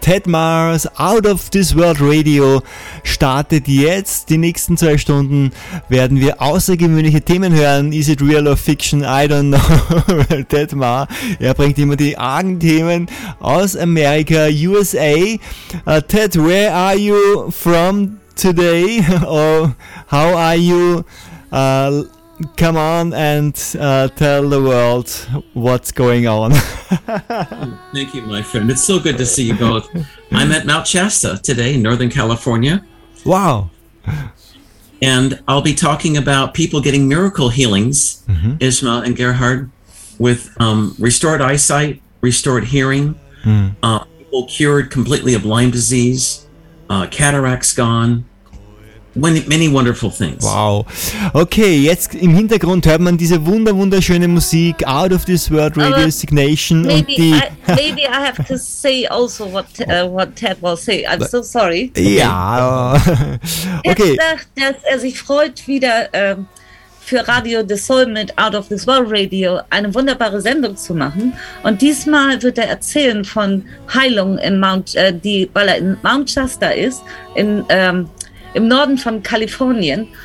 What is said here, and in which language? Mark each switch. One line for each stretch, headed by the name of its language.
German: Ted Mars Out of This World Radio startet jetzt. Die nächsten zwei Stunden werden wir außergewöhnliche Themen hören.
English: Is it real or fiction? I don't know.
German: Ted Mars, er bringt immer die argen Themen aus Amerika, USA.
English: Ted, where are you from today? Or how are you? Come on and tell the world what's going on. Thank you, my friend. It's so good to see you both. I'm at Mount Shasta today in Northern California. Wow. And I'll be talking about people getting miracle healings, mm-hmm. Ismael and Gerhard, with restored eyesight, restored hearing, people cured completely of Lyme disease, cataracts gone. Many wonderful things. Wow.
German: Okay, jetzt im Hintergrund hört man diese wunderschöne Musik, Out of This World Radio Signation.
English: Maybe I have to say also what Ted will say. I'm so sorry.
German: Ja. Okay. Ted sagt, dass er sich freut, wieder für Radio de Sol mit Out of This World Radio eine wunderbare Sendung zu machen. Und diesmal wird er erzählen von Heilung in weil er in Mount Shasta ist, im Norden von Kalifornien.